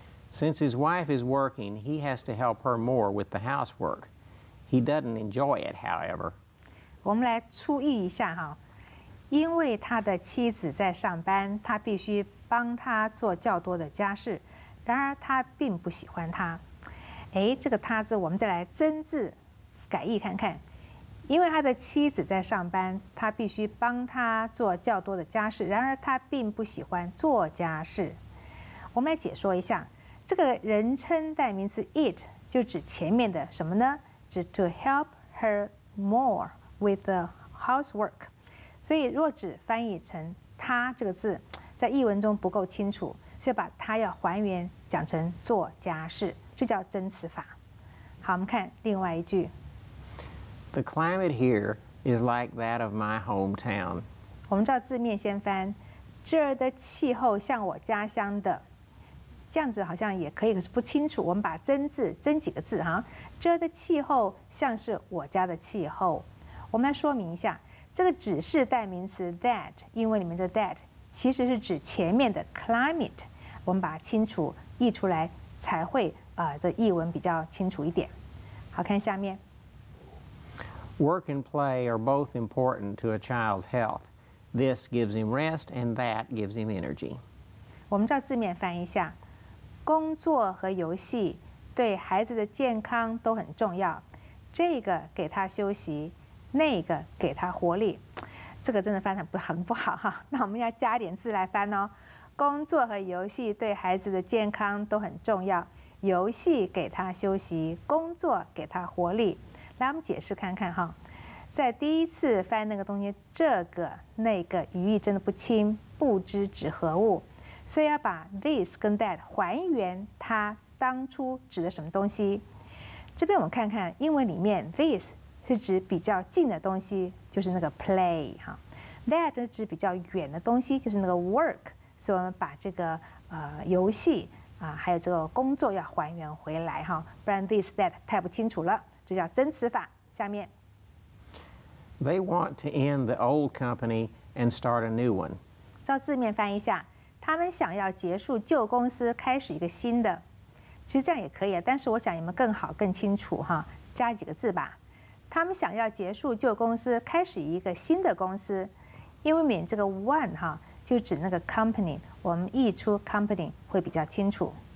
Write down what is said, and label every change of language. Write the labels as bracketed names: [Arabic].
[English] Since his wife is working, he has to help her more with the housework. He doesn't enjoy it, however. [Chinese] 我们来注意一下哈，因为他的妻子在上班，他必须帮他做较多的家事。然而他并不喜欢他。这个他字我们再来增字改译看看。因为他的妻子在上班，他必须帮他做较多的家事。然而他并不喜欢做家事。我们来解说一下。这个人称代名词 it 就指前面的什么呢？ [English] 指 to help her more with the housework。 [Chinese] 所以若只翻译成他这个字，在译文中不够清楚，所以把他要还原讲成做家事，这叫增词法。好，我们看另外一句。 [English] The climate here is like that of my hometown。 [Chinese] 我们照字面先翻，这儿的气候像我家乡的，这样子好像也可以，可是不清楚。我们把增字增几个字哈，这的气候像是我家的气候。我们来说明一下，这个指示代名词 that， 英文里面的 that 其实是指前面的 climate， 我们把它清楚译出来才会这译文比较清楚一点。好，看下面。 [English] Work and play are both important to a child's health. This gives him rest and that gives him energy. [Chinese] 我们照字面翻一下，工作和游戏对孩子的健康都很重要，这个给他休息，那个给他活力。这个真的翻得很不好哈。那我们要加点字来翻哦。工作和游戏对孩子的健康都很重要，游戏给他休息，工作给他活力。来，我们解释看看哈。在第一次翻那个东西，这个那个语义真的不清，不知指何物，所以要把 this 跟 that 还原它当初指的什么东西。这边我们看看英文里面 this 是指比较近的东西，就是那个 play 哈。 That 是指比较远的东西，就是那个 work。所以我们把这个游戏啊，还有这个工作要还原回来哈，不然 this that 太不清楚了，这叫增词法。下面。 [English] They want to end the old company and start a new one. [Chinese] 照字面翻译一下，他们想要结束旧公司，开始一个新的。其实这样也可以啊，但是我想你们更好、更清楚哈，加几个字吧。他们想要结束旧公司，开始一个新的公司，因为免这个 one 哈，就指那个 company， 我们译出 company 会比较清楚。